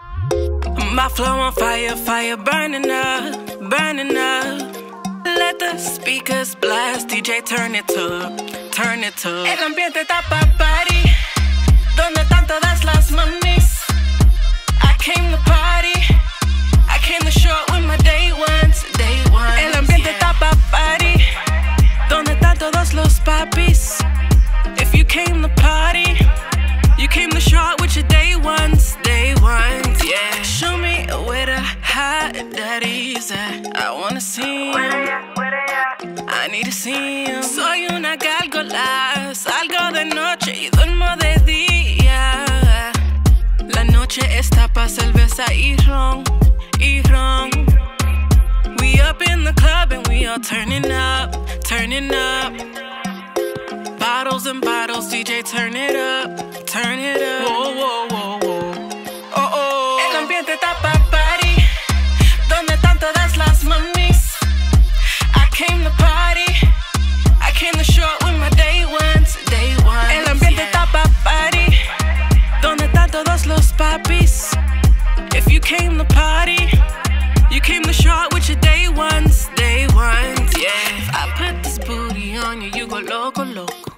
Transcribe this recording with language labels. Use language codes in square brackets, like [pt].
[en] Put my flow on fire, fire burning up, burning up. Let the speakers blast, DJ turn it up, turn it up. [es] El ambiente está pa' party, donde están todas las mamis. [en] I came to party, I came to show up with my day ones, day ones. [es] El ambiente está pa' party, donde están todos los papis. [en] If you came to party, you came to show up with your day ones, day ones, yeah. Show me where the hot daddy's at. I wanna see him. Where they at? I need to see him. [es] Soy una gálgola, salgo de noche y duermo de día. La noche está pa' cerveza y ron, y ron. [en] We up in the club and we all turning up, turning up. Bottles and bottles, DJ, turn it up, turn it up. Whoa, whoa, whoa, whoa. Oh, oh. [es] El ambiente está pa' party, donde están todas las mamis. [en] I came to party, I came to show up with my day ones, day ones. [es] El ambiente está pa' party, donde están todos los papis. [en] If you came to party, you came to show up with your day ones, day ones, yeah. If I put this booty on you, you go loco, loco.